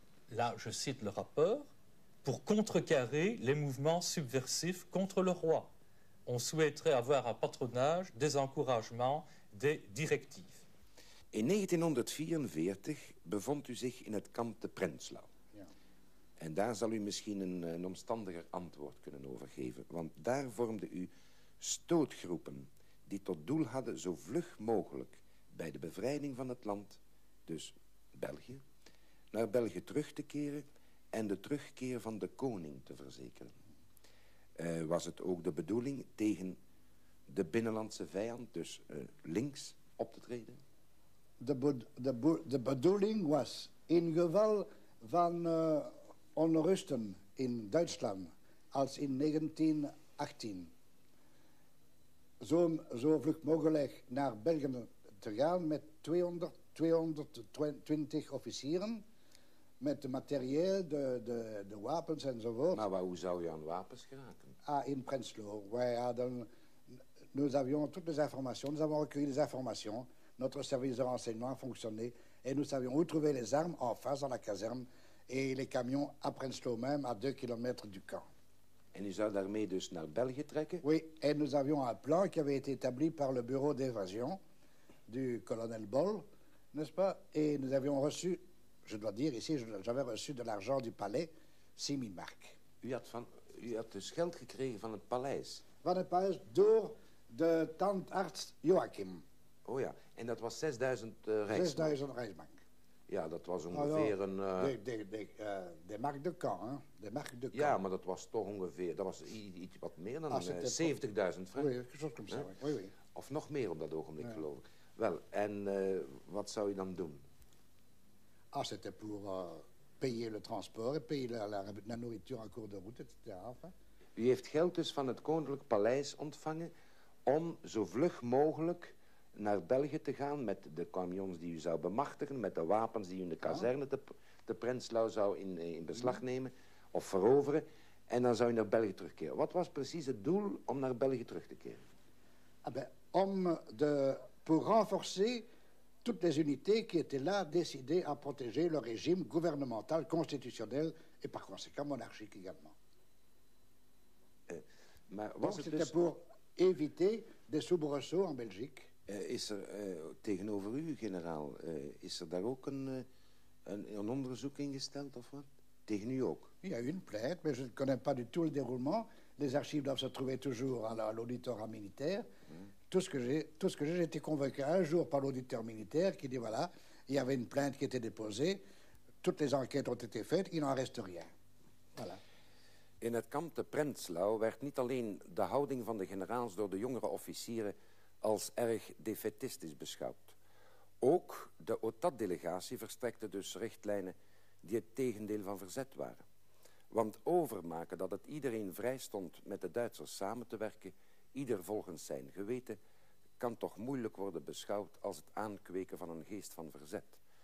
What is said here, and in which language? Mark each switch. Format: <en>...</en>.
<fr>Là, je cite le rapport, pour contrecarrer les mouvements subversifs contre le roi. On souhaiterait avoir un patronage, des encouragements, des directives.</fr> <nl>In 1944 bevond u zich in het kamp de Prenzlau. Ja. En daar zal u misschien een omstandiger antwoord kunnen overgeven. Want daar vormde u stootgroepen die tot doel hadden zo vlug mogelijk bij de bevrijding van het land, dus België, naar België terug te keren en de terugkeer van de koning te verzekeren. Was het ook de bedoeling tegen de binnenlandse vijand, dus links, op te treden? De bedoeling was, in geval van onrusten in Duitsland, als in 1918, zo vlug mogelijk naar België te gaan met 220 officieren, met materieel, de wapens enzovoort. Maar hoe zou je aan wapens geraken? Ah, in Prenzlau. Wij hadden</nl> <fr>nous avions toutes les informations, nous avons recueilli les informations, notre service de renseignement a fonctionné et nous savions où trouver les armes en face dans la caserne et les camions à Prenslow même, à 2 kilomètres du camp.</fr> <nl>En u zou daarmee dus naar België trekken?</nl> <fr>Oui, et nous avions un plan qui avait été établi par le bureau d'évasion du colonel Boll, n'est-ce pas? Et nous avions reçu, je dois dire ici, j'avais reçu de l'argent du palais, 6000 marks.</fr> <nl>U had dus geld gekregen van het paleis? Van het paleis door de tandarts Joachim. Oh ja, en dat was 6000 reichsmark. 6000 reichsmark. Ja, dat was ongeveer een...</nl> <fr>De marque de camp, hein? De marque de camp.</fr> <nl>Ja, maar dat was toch ongeveer... Dat was iets wat meer dan 70.000 francs.</nl> <fr>Oui, oui, oui.</fr> <nl>Of nog meer op dat ogenblik, ja. Geloof ik. Wel, en wat zou je dan doen?</nl> <fr>Ah, c'était pour payer le transport, payer la nourriture en cours de route, etc.</fr> <nl>U heeft geld dus van het Koninklijk Paleis ontvangen om zo vlug mogelijk naar België te gaan met de camions die u zou bemachtigen, met de wapens die u in de kazerne te Prenslau zou in beslag nemen of veroveren. En dan zou u naar België terugkeren. Wat was precies het doel om naar België terug te keren?</nl> <fr>Ah ben,</fr> <nl>om de.</nl> <fr>Pour renforcer toutes les unités qui étaient là décidées à protéger le régime gouvernemental, constitutionnel et par conséquent monarchique également. Mais donc c'était dus... pour éviter des soubresauts en Belgique.</fr> <nl>Is er tegenover u, generaal, is er daar ook een onderzoek ingesteld of wat? Tegen u ook?</nl> <fr>Il y a eu une plainte, mais je ne connais pas du tout le déroulement. Les archives doivent se trouver toujours à l'auditorat militaire. Tout ce que j'ai été convoqué un jour par l'auditeur militaire qui dit, voilà, il y avait une plainte qui était déposée, toutes les enquêtes ont été faites, il n'en reste rien. Voilà.</fr> <nl>In het kamp de Prenslau werd niet alleen de houding van de generaals door de jongere officieren als erg defaitistisch beschouwd. Ook de OTAT-delegatie verstrekte dus richtlijnen die het tegendeel van verzet waren. Want overmaken dat het iedereen vrij stond met de Duitsers samen te werken, ieder volgens zijn geweten, kan toch moeilijk worden beschouwd als het aankweken van een geest van verzet.</nl>